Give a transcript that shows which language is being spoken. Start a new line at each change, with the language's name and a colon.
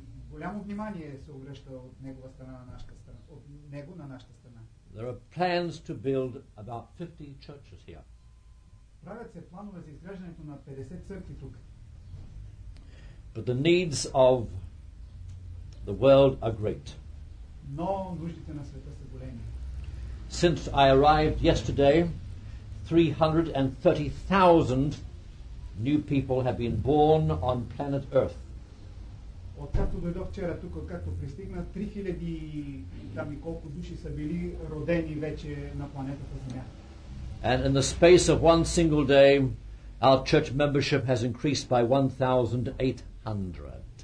Bulgarian: Голямо внимание се обръща от негова страна на нашата страна.
English: There are plans to build about 50 churches here.
Bulgarian: Правят се планове за изграждането на 50 църкви тук.
English: But the needs of the world are great.
Bulgarian: Но нуждите на света са големи.
English: Since I arrived yesterday, 330,000 new people have been born on planet Earth.
Bulgarian: Откакто дойдох вчера тук, откакто пристигна, 3000 там и колко души са били родени вече на планетата Земя.
English: And in the space of one single day, our church membership has increased by 1,800.